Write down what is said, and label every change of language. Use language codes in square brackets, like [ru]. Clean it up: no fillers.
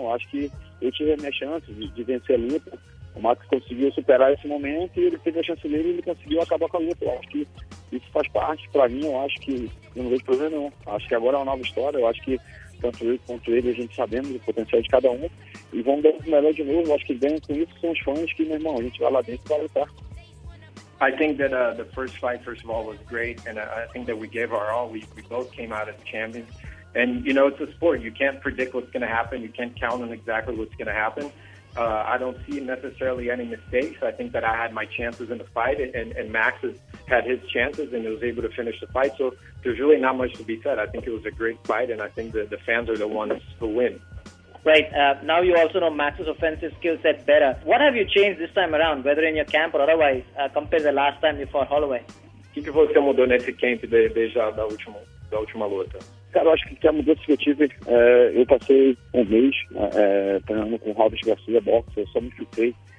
[pt] Eu acho que eu tive a minha chance de vencer a luta. O Max conseguiu superar esse momento e ele teve a chance dele e ele conseguiu acabar com a luta. Eu acho que isso faz parte, pra mim, eu acho que eu não vejo problema nenhum. Eu acho que agora é uma nova história. Eu acho que tanto eu quanto ele, a gente sabemos o potencial de cada um e vamos dar o melhor de novo. Eu acho que ganha com isso são os fãs que, meu irmão, a gente vai lá dentro para lutar. [en] I think that the first fight, first of all, was great, and I think that we gave our all. We both came out as champions, and you know, it's a sport. You can't predict what's going to happen. You can't count on exactly what's going to happen. I don't see necessarily any mistakes. I think that I had my chances in the fight, and Max has had his chances, and he was able to finish the fight. So there's really not much to be said. I think it was a great fight, and I think that the fans are the ones who win. Right. Now you also know Max's offensive skill set better. What have you changed this time around, whether in your camp or otherwise, compared to the last time you fought Holloway? [pt] O que você mudou nesse camp desde da última luta? Cara, eu acho que a mudança que eu tive, eu passei um mês treinando com o Robert Garcia Boxer, eu só me chutei.